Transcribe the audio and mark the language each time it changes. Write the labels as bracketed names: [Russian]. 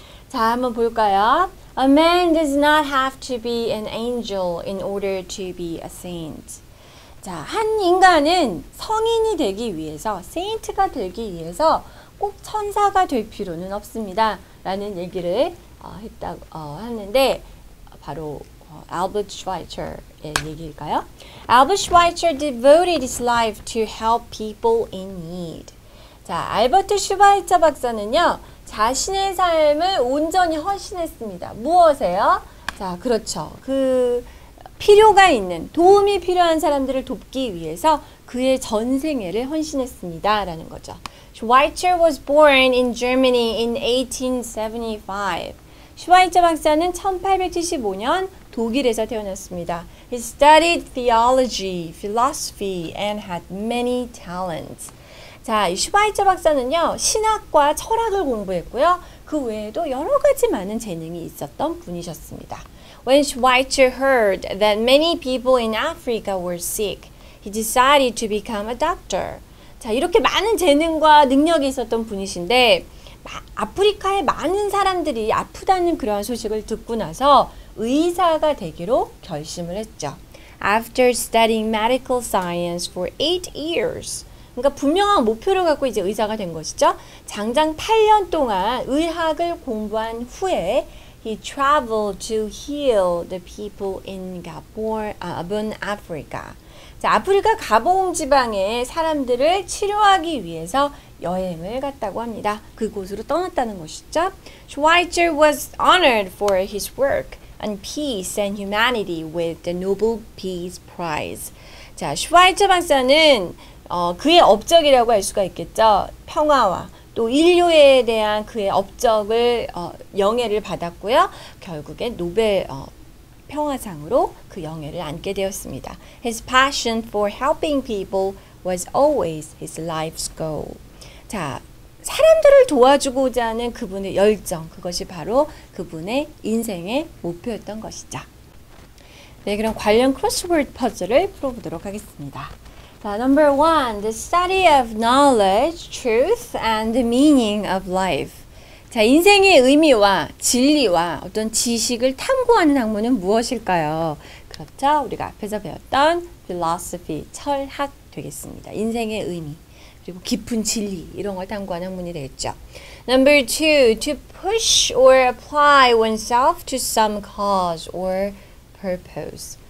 [Korean] 자, 한번 볼까요? [English] A man does not have to be an angel in order to be a saint. [Korean] 자, 한 인간은 성인이 되기 위해서, 세인트가 되기 위해서 꼭 천사가 될 필요는 없습니다. 라는 얘기를 했는데 바로 알버트 슈바이처의 얘기일까요? [English] Albert Schweitzer devoted his life to help people in need. [Korean] 자, 알버트 슈바이처 박사는요. 자신의 삶을 온전히 헌신했습니다. 무엇에요? 자, 그렇죠. 그 필요가 있는, 도움이 필요한 사람들을 돕기 위해서 그의 전 생애를 헌신했습니다. 라는 거죠. [English] Schweitzer was born in Germany in 1875. [Korean] 슈바이처 박사는 1875년 독일에서 태어났습니다. [English] He studied theology, philosophy, and had many talents. [Korean] 자, 이 슈바이처 박사는요, 신학과 철학을 공부했고요. 그 외에도 여러 가지 많은 재능이 있었던 분이셨습니다. [English] When Schweitzer heard that many people in Africa were sick, he decided to become a doctor. [Korean] 자, 이렇게 많은 재능과 능력이 있었던 분이신데, 아프리카의 많은 사람들이 아프다는 그러한 소식을 듣고 나서 의사가 되기로 결심을 했죠. [English] After studying medical science for 8 years, [Korean] 그러니까 분명한 목표를 갖고 이제 의사가 된 것이죠. 장장 8년 동안 의학을 공부한 후에 [English] he traveled to heal the people in Gabon, Africa. [Korean] 자, 아프리카 가봉 지방의 사람들을 치료하기 위해서 여행을 갔다고 합니다. 그곳으로 떠났다는 것이죠. [English] Schweitzer was honored for his work on peace and humanity with the Nobel Peace Prize. [Korean] 자, 슈바이처 박사는 그의 업적이라고 할 수가 있겠죠. 평화와 또 인류에 대한 그의 업적을 영예를 받았고요. 결국에 노벨 평화상으로 그 영예를 안게 되었습니다. [English] His passion for helping people was always his life's goal. [Korean] 자, 사람들을 도와주고자 하는 그분의 열정, 그것이 바로 그분의 인생의 목표였던 것이죠. 네, 그럼 관련 크로스워드 퍼즐을 풀어보도록 하겠습니다. [English] So number one, the study of knowledge, truth, and the meaning of life. [Korean] 자, 인생의 의미와 진리와 어떤 지식을 탐구하는 학문은 무엇일까요? 그렇죠? 우리가 앞에서 배웠던 philosophy, 철학 되겠습니다. 인생의 의미, 그리고 깊은 진리, 이런 걸 탐구하는 학문이 되겠죠. [English] Number two, to push or apply oneself to some cause or purpose.